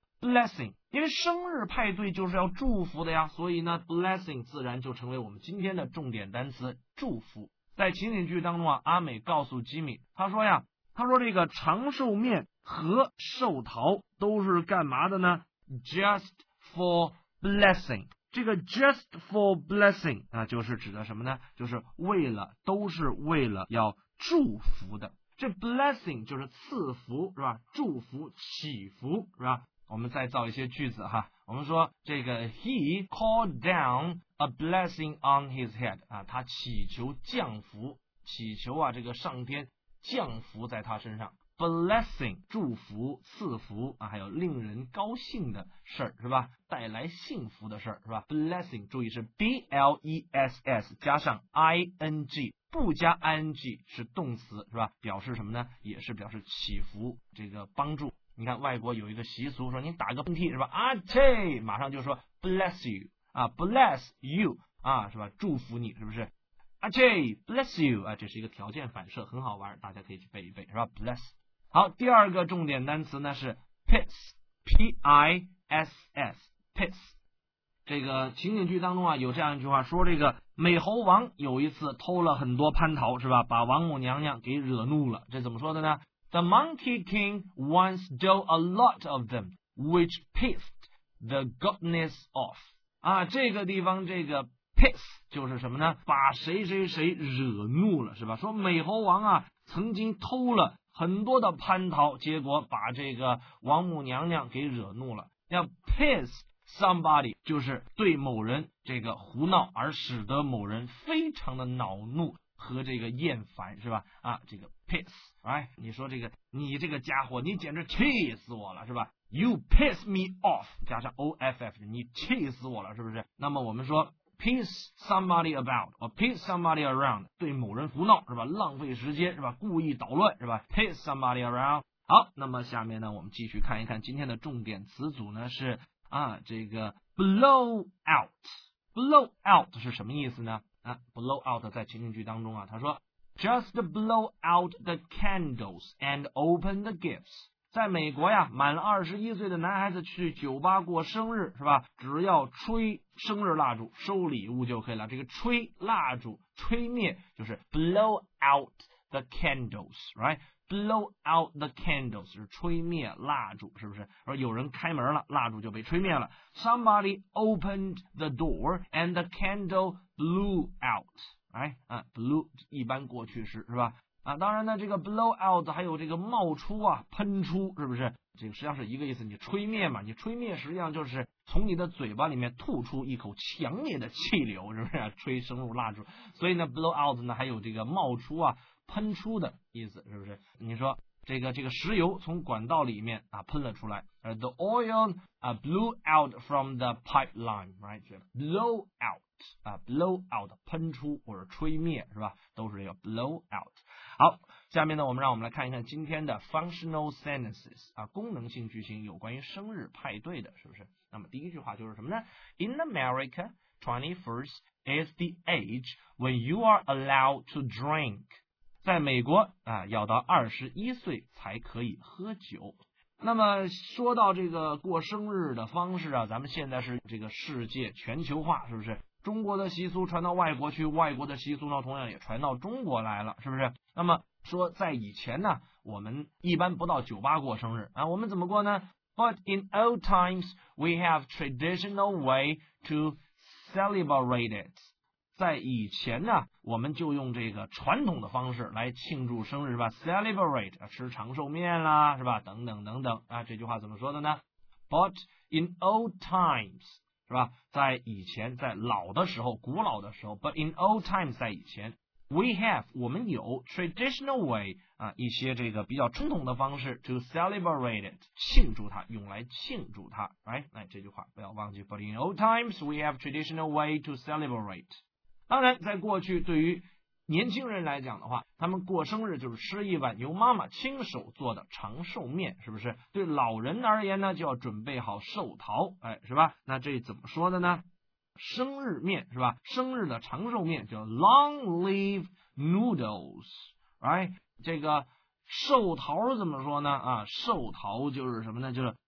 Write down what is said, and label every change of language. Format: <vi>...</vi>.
<zh>blessing， 因为生日派对就是要祝福的呀，所以呢 blessing 自然就成为我们今天的重点单词，祝福。在情景剧当中啊，阿美告诉吉米，他说这个长寿面和寿桃都是干嘛的呢？</zh> <en>Just for blessing，</en> <zh>这个 just for blessing 啊，就是指的什么呢？就是为了，都是为了要祝福的。这 blessing 就是赐福，是吧？祝福、祈福，是吧？我们再造一些句子哈。我们说这个</zh> <en>he called down a blessing on his head</en> <zh>啊，他祈求降福，祈求啊这个上天降福在他身上。 blessing 祝福、赐福啊，还有令人高兴的事儿，是吧？带来幸福的事儿，是吧 ？blessing 注意是 b l e s s 加上 i n g， 不加 i n g 是动词，是吧？表示什么呢？也是表示祈福，这个帮助。你看外国有一个习俗，说你打个喷嚏，是吧？啊切，马上就说</zh> <en>bless you</en> <zh>啊 ，bless you 啊，是吧？祝福你，是不是？啊切 ，</zh> <en>bless you</en> <zh>啊，这是一个条件反射，很好玩，大家可以去背一背，是吧 ？bless。好，第二个重点单词呢是 piss，P-I-S-S， piss。这个情景剧当中啊，有这样一句话，说这个美猴王有一次偷了很多蟠桃，是吧？把王母娘娘给惹怒了，这怎么说的呢</zh> <en>？The Monkey King once stole a lot of them, which pissed the goddess off。</en> <zh>啊，这个地方这个。Piss 就是什么呢？把谁谁谁惹怒了，是吧？说美猴王啊，曾经偷了很多的蟠桃，结果把这个王母娘娘给惹怒了。要 piss somebody 就是对某人这个胡闹，而使得某人非常的恼怒和这个厌烦，是吧？啊，这个 piss， 哎，你说这个你这个家伙，你简直气死我了，是吧？</zh> <en>You piss me off，</en> <zh>加上 off， 你气死我了，是不是？那么我们说。</zh> <en>Piss somebody about or piss somebody around，</en> <zh>对某人胡闹，是吧？浪费时间，是吧？故意捣乱，是吧？</zh> <en>Piss somebody around。</en> <zh>好，那么下面呢我们继续看一看今天的重点词组呢是啊这个 blow out。 blow out 是什么意思呢？</zh> <en>啊 blow out</en> <zh>在情景剧当中啊，他说</zh> <en>just blow out the candles and open the gifts。</en> <zh>在美国呀，满21岁的男孩子去酒吧过生日，是吧？只要吹生日蜡烛，收礼物就可以了。这个吹蜡烛，吹灭就是</zh> <en>blow out the candles，</en> <zh>right？ blow out the candles 是吹灭蜡烛，是不是？而有人开门了，蜡烛就被吹灭了。</zh> <en>Somebody opened the door and the candle blew out， right？ 啊 ，blew</en> <zh>一般过去式，是吧？啊，当然呢，这个 blow out 还有这个冒出啊，喷出，是不是？这个实际上是一个意思，你吹灭嘛，你吹灭实际上就是从你的嘴巴里面吐出一口强烈的气流，是不是？吹生入蜡烛，所以呢 ，blow out 呢还有这个冒出啊，喷出的意思，是不是？你说这个石油从管道里面啊喷了出来 ，</zh> <en>the oil blew out from the pipeline，</en> <zh>right？</zh> <en>blow out。</en> <zh>啊 ，blow out， 喷出或者吹灭，是吧？都是这个 blow out。好，下面呢，我们来看一看今天的 functional sentences 啊，功能性句型，有关于生日派对的，是不是？那么第一句话就是什么呢</zh> <en>？In America, 21st is the age when you are allowed to drink。</en> <zh>在美国啊，要到21岁才可以喝酒。那么说到这个过生日的方式啊，咱们现在是这个世界全球化，是不是？中国的习俗传到外国去，外国的习俗呢同样也传到中国来了，是不是？那么说在以前呢，我们一般不到酒吧过生日啊，我们怎么过呢？</zh> <en>But in old times we have traditional way to celebrate it。</en> <zh>在以前呢，我们就用这个传统的方式来庆祝生日，是吧？ Celebrate 吃长寿面啦，是吧？等等等等啊，这句话怎么说的呢？</zh> <en>But in old times，是吧？</en> <zh>在以前，在老的时候，古老的时候 ，</zh> <en>but in old times，</en> <zh>在以前 ，we have 我们有</zh> <en>traditional way</en> <zh>啊，一些这个比较传统的方式</zh> <en>to celebrate it，</en> <zh>庆祝它，用来庆祝它 ，right？那这句话不要忘记</zh> <en>，but in old times we have traditional way to celebrate。</en> <zh>当然，在过去，对于年轻人来讲的话，他们过生日就是吃一碗由妈妈亲手做的长寿面，是不是？对老人而言呢，就要准备好寿桃，哎，是吧？那这怎么说的呢？生日面，是吧？生日的长寿面叫</zh> <en>long live noodles，</en> <zh>right？ 这个寿桃怎么说呢？啊，寿桃就是什么呢？就是</zh>